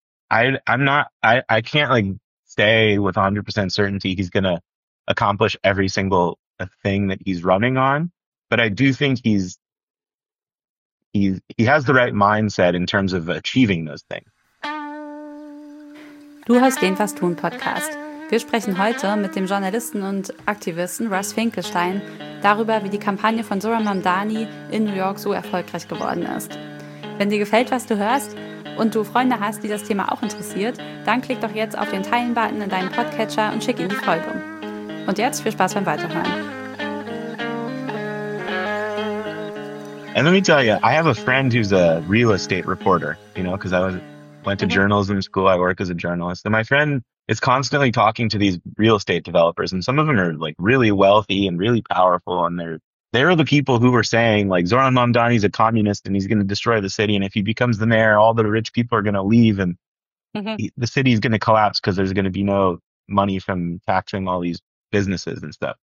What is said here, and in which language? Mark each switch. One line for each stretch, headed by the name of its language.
English: I can't like say with 100% certainty he's going to accomplish every single thing that he's running on, but I do think he has the right mindset in terms of achieving those things.
German: Du hörst den Was tun Podcast. Wir sprechen heute mit dem Journalisten und Aktivisten Russ Finkelstein darüber, wie die Kampagne von Zora Mamdani in New York so erfolgreich geworden ist. Wenn dir gefällt, was du hörst und du Freunde hast, die das Thema auch interessiert, dann klick doch jetzt auf den Teilen-Button in deinem Podcatcher und schick ihm die Folge. Und jetzt viel Spaß beim Weiterhören.
English: And let me tell you, I have a friend who's a real estate reporter, you know, because I went to journalism school. I work as a journalist. And my friend is constantly talking to these real estate developers. And some of them are like really wealthy and really powerful. And they're the people who were saying like Zoran Mamdani's a communist and he's going to destroy the city. And if he becomes the mayor, all the rich people are going to leave and the city is going to collapse because there's going to be no money from taxing all these businesses and stuff.